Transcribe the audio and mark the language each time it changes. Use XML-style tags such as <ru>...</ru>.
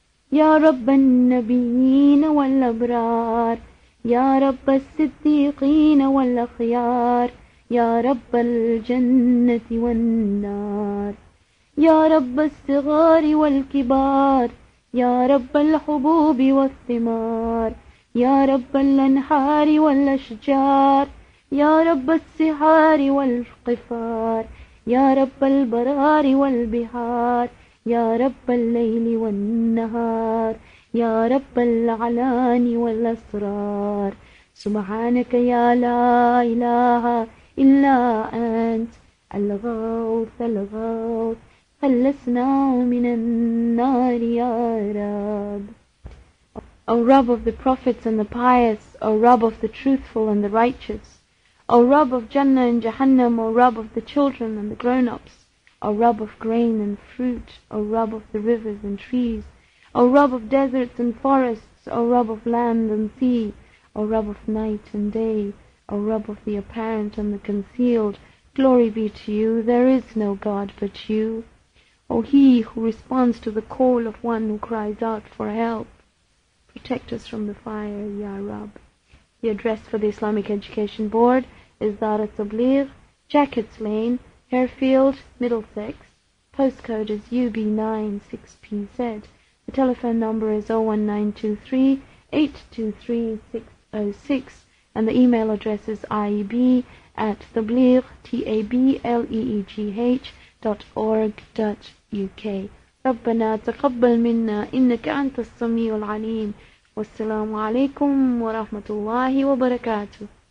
<ar>Ya Rabb al-Nabiyyin wal-Abrar, Ya Rabb al-Siddiqin wal-Akhyar, Ya Rabb al-Jannati wal-Nar, Ya Rabb al-Sighar wal-Kibar, يا رب الحبوب والثمار يا رب الأنهار والأشجار يا رب السحار والقفار يا رب البرار والبحار، يا رب الليل والنهار، يا رب العلان والأسرار، سبحانك يا لا إله إلا أنت، الغوث الغوث، خلصنا من النار يا رب.</ar> <en>O Rub of the prophets and the pious, O Rub of the truthful and the righteous, O Rub of Jannah and Jahannam, O Rub of the children and the grown-ups, O Rub of grain and fruit, O Rub of the rivers and trees, O Rub of deserts and forests, O Rub of land and sea, O Rub of night and day, O Rub of the apparent and the concealed, glory be to you, there is no God but you. O he who responds to the call of one who cries out for help, protect us from the fire, Ya Rab. The address for the Islamic Education Board is Dar al-Tabligh, Jacketts Lane, Harefield, Middlesex. Postcode is UB96PZ. The telephone number is 01923-823-606 and the email address is ieb@tabligh.org.uk.</en> <ar>ربنا تقبل منا إنك أنت السميع العليم. والسلام عليكم ورحمة الله وبركاته.</ar>